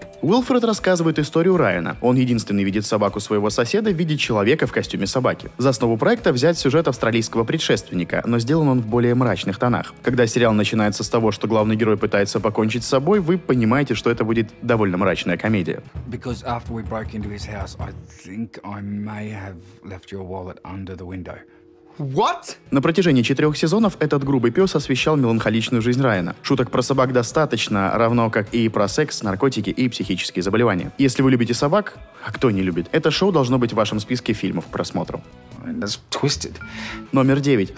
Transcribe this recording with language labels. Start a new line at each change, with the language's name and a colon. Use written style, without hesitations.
Russian: Уилфред рассказывает историю Райана. Он единственный видит собаку своего соседа в виде человека в костюме собаки. За основу проекта взят сюжет австралийского предшественника, но сделан он в более мрачных тонах. Когда сериал начинается с того, что главный герой пытается покончить с собой, вы понимаете, что это будет довольно мрачная комедия.
English: Because after we broke into his house, I think I may have left your wallet under the window. What?
Russian: На протяжении 4 сезонов этот грубый пес освещал меланхоличную жизнь Райана. Шуток про собак достаточно, равно как и про секс, наркотики и психические заболевания. Если вы любите собак, а кто не любит, это шоу должно быть в вашем списке фильмов к просмотру.
English: That's twisted.
Russian: Номер 9.